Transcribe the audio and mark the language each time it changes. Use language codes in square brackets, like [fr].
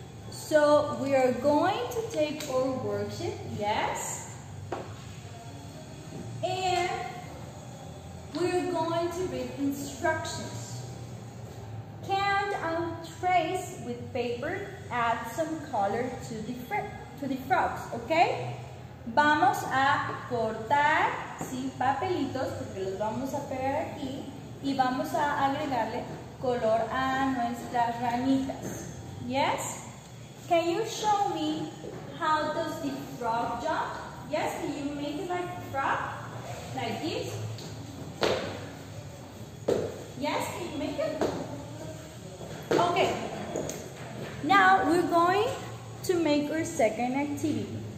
[en] So we are going to take our worksheet. Yes? And we're going to read instructions. Count and trace with paper, add some color to the frogs, okay? [es] Vamos a cortar sin papelitos, porque los vamos a pegar aquí, y vamos a agregarle color a nuestras ranitas. [en] Yes? Can you show me how does the frog jump? Yes, can you make it like a frog? Like this? Yes, can you make it? Okay, now we're going to make our second activity.